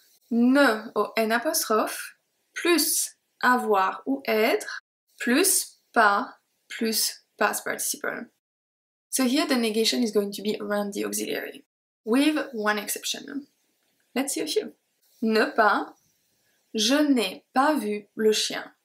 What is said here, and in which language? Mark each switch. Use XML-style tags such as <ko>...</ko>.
<fr>Ne ou n apostrophe, plus avoir ou être, plus pas, plus</fr> <en>past participle. So here the negation is going to be around the auxiliary, with one exception. Let's see a few.</en> <fr>Ne pas, je n'ai pas vu le chien.</fr>